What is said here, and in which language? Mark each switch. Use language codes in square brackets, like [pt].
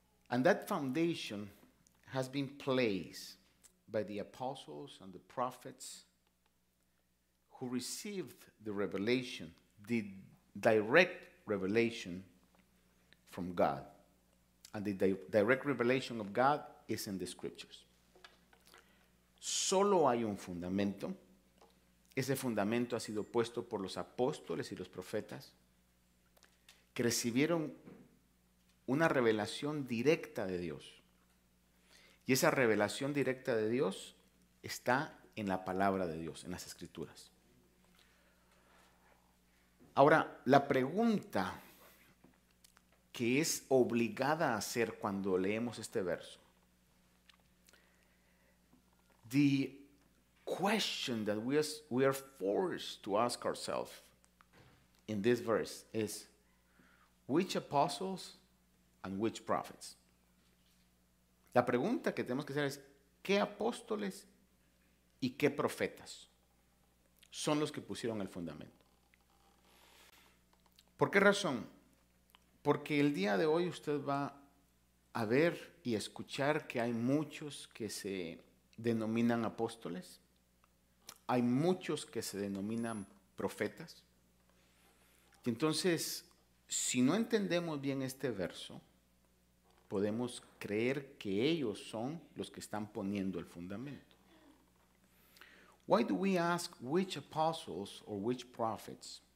[en] And that foundation has been placed by the apostles and the prophets who received the revelation, the direct revelation from God. And the direct revelation of God is in the scriptures. [es] Solo hay un fundamento. Ese fundamento ha sido puesto por los apóstoles y los profetas que recibieron una revelación directa de Dios. Y esa revelación directa de Dios está en la palabra de Dios, en las escrituras. Ahora, la pregunta que es obligada a hacer cuando leemos este verso. [en] The question that we are forced to ask ourselves in this verse is, which apostles and which prophets? [es] La pregunta que tenemos que hacer es, ¿qué apóstoles y qué profetas son los que pusieron el fundamento? ¿Por qué razón? Porque el día de hoy usted va a ver y escuchar que hay muchos que se denominan apóstoles, hay muchos que se denominan profetas. Y entonces, si no entendemos bien este verso, podemos creer que ellos son los que están poniendo el fundamento. [en] Why do we ask which apostles or which prophets?